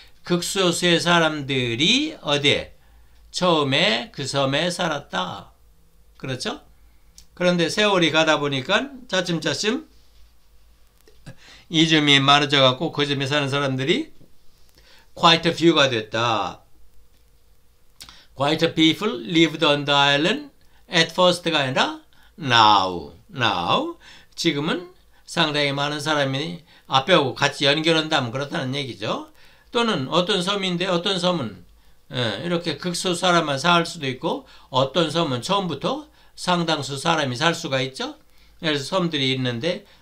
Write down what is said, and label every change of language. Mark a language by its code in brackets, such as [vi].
[ko] 극소수의 사람들이 어디에? 처음에 그 섬에 살았다. 그렇죠? 그런데 세월이 가다 보니까 차츰차츰 이주민이 많아져갖고 그 섬에 사는 사람들이 quite a few가 됐다. [en] Quite a people lived on the island at first [ko] 가 아니라 [en] now. [ko] 지금은 상당히 많은 사람이 앞에하고 같이 연결한다면 그렇다는 얘기죠. 또는 어떤 섬인데 어떤 섬은 이렇게 극소수 사람만 살 수도 있고 어떤 섬은 처음부터 상당수 사람이 살 수가 있죠. 그래서 섬들이 있는데